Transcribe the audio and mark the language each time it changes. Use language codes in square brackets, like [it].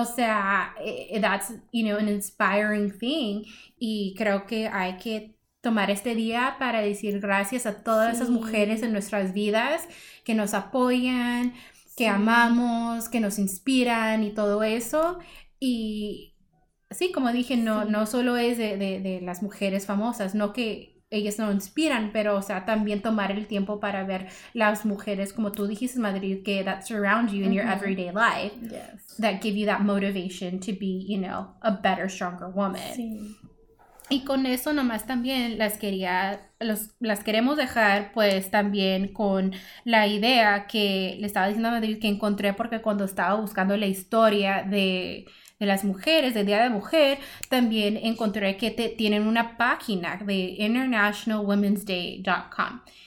[es] o sea, [en] that's, you know, an inspiring thing. [es] Y creo que hay que tomar este día para decir gracias a todas esas mujeres en nuestras vidas que nos apoyan, que sí. amamos, que nos inspiran y todo eso. Y sí, como dije, no, sí. no solo es de las mujeres famosas, no que ellas no inspiran, pero, o sea, también tomar el tiempo para ver las mujeres, como tú dijiste, Madrid, que [en] that surround you in mm-hmm. your everyday life. Yes. That give you that motivation to be, you know, a better, stronger woman. [es] Sí. Y con eso nomás también las queremos dejar, pues, también con la idea que le estaba diciendo a Madrid que encontré, porque cuando estaba buscando la historia de las mujeres, de Día de Mujer, también encontré que tienen una página de internationalwomensday.com.